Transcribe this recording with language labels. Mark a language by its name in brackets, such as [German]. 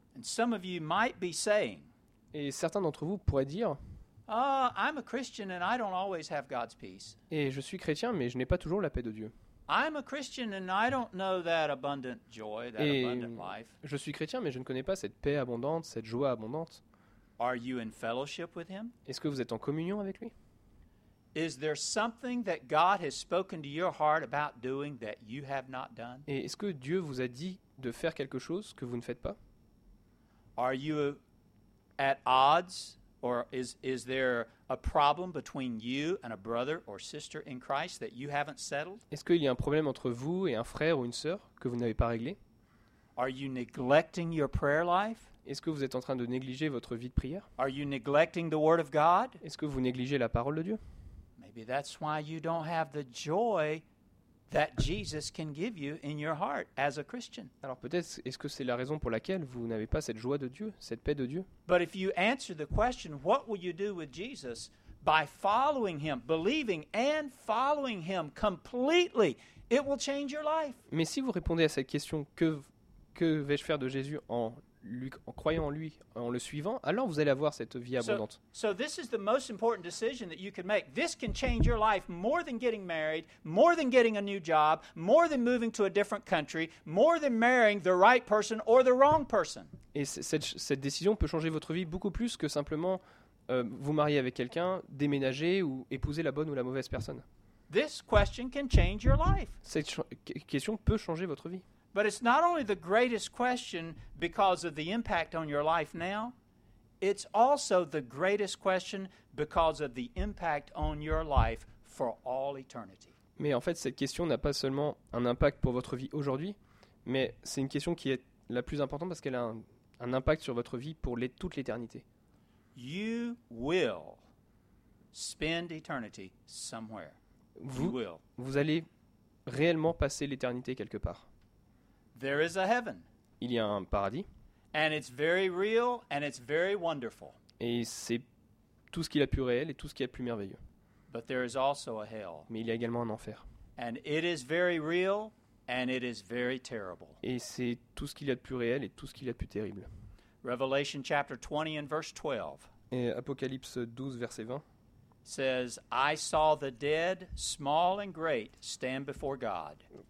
[English] And some of you might be saying, [French] et certains d'entre vous pourraient dire, [English] I'm a Christian and I don't always have God's peace. [French] Et je suis chrétien mais je n'ai pas toujours la paix de Dieu. [English] I'm a Christian and I don't know that abundant joy, that [French] et [English] abundant life. [French] Je suis chrétien mais je ne connais pas cette paix abondante, cette joie abondante. [English] Are you in fellowship with him? [French] Est-ce que vous êtes en communion avec lui? [English] Is there something that God has spoken to your heart about doing that you have not done? [French] Et est-ce que Dieu vous a dit de faire quelque chose que vous ne faites pas? [English] Are you at odds Or is there a problem between you and a brother or sister in Christ that you haven't settled? [French] Est-ce qu'il y a un problème entre vous et un frère ou une sœur que vous n'avez pas réglé? [English] Are you neglecting your prayer life? [French] Est-ce que vous êtes en train de négliger votre vie de prière? [English] Are you neglecting the word of God? [French] Est-ce que vous négligez la parole de Dieu? [English] Maybe that's why you don't have the joy that Jesus can give you in your heart as a Christian. [French] Alors peut-être est-ce que c'est la raison pour laquelle vous n'avez pas cette joie de Dieu, cette paix de Dieu? [English] But if you answer the question, what will you do with Jesus, by following him, believing and following him completely, it will change your life. [French] Mais si vous répondez à cette question, que vais-je faire de Jésus en croyant en lui, en le suivant, alors vous allez avoir cette vie abondante. [English] So this is the most important decision that you can make. This can change your life more than getting married, more than getting a new job, more than moving to a different country, more than marrying the right person or the wrong person. [French] Et cette décision peut changer votre vie beaucoup plus que simplement vous marier avec quelqu'un, déménager ou épouser la bonne ou la mauvaise personne. [English] This question can change your life. [French] Cette question peut changer votre vie. [English] But it's not only the greatest question because of the impact on your life now, it's also the greatest question because of the impact on your life for all eternity. [French] Mais en fait, cette question n'a pas seulement un impact pour votre vie aujourd'hui, mais c'est une question qui est la plus importante parce qu'elle a un impact sur votre vie pour toute l'éternité. [English] You will spend eternity somewhere. [French] Vous allez réellement passer l'éternité quelque part. [English] There is a heaven. [French] Il y a un paradis. [English] And it's very real and it's very wonderful. [French] Et c'est tout ce qu'il y a de plus réel et tout ce qu'il y a de plus merveilleux. [English] But there is also a hell. [French] Mais il y a également un enfer. [English] And it is very real and it is very terrible. [French] Et c'est tout ce qu'il y a de plus réel et tout ce qu'il y a de plus terrible. [English] Revelation chapter 20 and verse 12. [French] Et Apocalypse 12 verset 20. [English] Says, I saw the dead, small and great, stand before God.